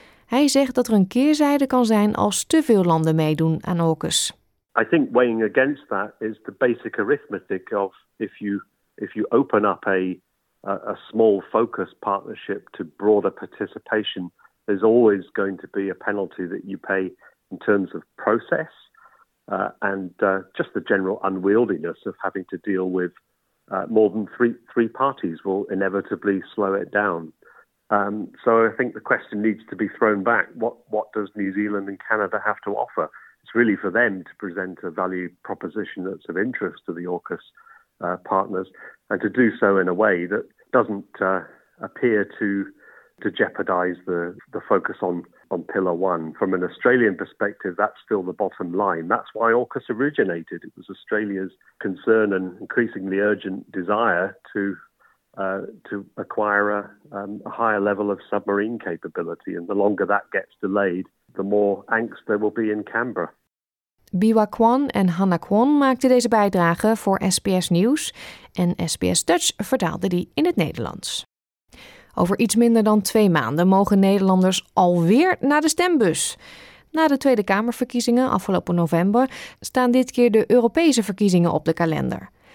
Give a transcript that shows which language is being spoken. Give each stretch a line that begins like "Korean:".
Dutch: Hij zegt dat er een keerzijde kan zijn als te veel landen meedoen aan AUKUS.
English: I think weighing against that is the basic arithmetic of if you open up a small focus partnership to broader participation, there's always going to be a penalty that you pay in terms of process and just the general unwieldiness of having to deal with more than three parties will inevitably slow it down. So I think the question needs to be thrown back. What does New Zealand and Canada have to offer? it's really for them to present a value proposition that's of interest to the AUKUS partners, and to do so in a way that doesn't appear to jeopardise the focus on Pillar 1. From an Australian perspective, that's still the bottom line. That's why AUKUS originated. It was Australia's concern and increasingly urgent desire to acquire a higher level of submarine capability. And the longer that gets delayed, the more angst there will be in Canberra.
Dutch: Biwa Kwon en Hannah Kwon maakten deze bijdrage voor SBS Nieuws en SBS Dutch vertaalde die in het Nederlands. Over iets minder dan 2 maanden mogen Nederlanders alweer naar de stembus. Na de Tweede Kamerverkiezingen afgelopen november staan dit keer de Europese verkiezingen op de kalender.